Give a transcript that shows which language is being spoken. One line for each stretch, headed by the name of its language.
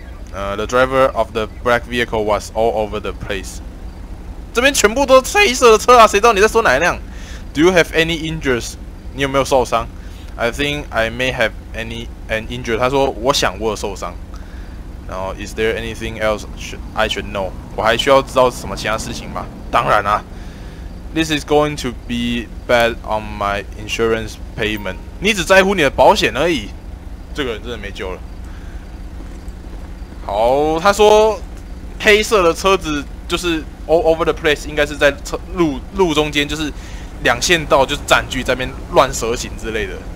English: The driver of the black vehicle was all over the place.
Chinese: 这边全部都是黑色的车啊，谁知道你在说哪一辆？
English: Do you have any injuries?
Chinese: 你有没有受伤？
English: I think I may have an injury.
Chinese: 他说我想我有受伤。然后
English: Is there anything else I should know?
Chinese: 我还需要知道什么其他事情吗？当然啊。
English: This is going to be bad on my insurance payment.
Chinese: 你只在乎你的保险而已。这个人真的没救了。好，他说黑色的车子就是
English: all over the place，
Chinese: 应该是在路中间，就是两线道就占据在那边乱蛇行之类的。